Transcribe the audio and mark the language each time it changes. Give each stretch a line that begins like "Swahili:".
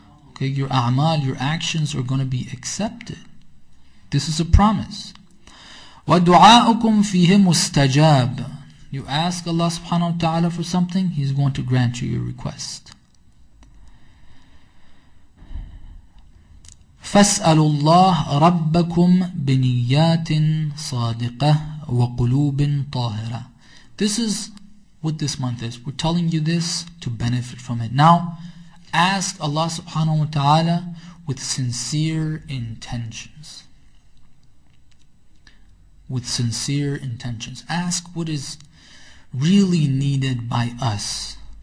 English: Okay, your a'mal, your actions are going to be accepted. This is a promise.
Arabic: وَدُعَاءُكُمْ فِيهِ مُسْتَجَابٍ
English: You ask Allah subhanahu wa ta'ala for something, He's going to grant you your request.
Arabic: فَاسْأَلُوا اللَّهَ رَبَّكُمْ بِنِيَّاتٍ صَادِقَةٍ وَقُلُوبٍ طَاهِرَةٍ
English: This is what this month is. We're telling you this to benefit from it. Now, ask Allah subhanahu wa ta'ala with sincere intentions. With sincere intentions. Ask what is really needed by us.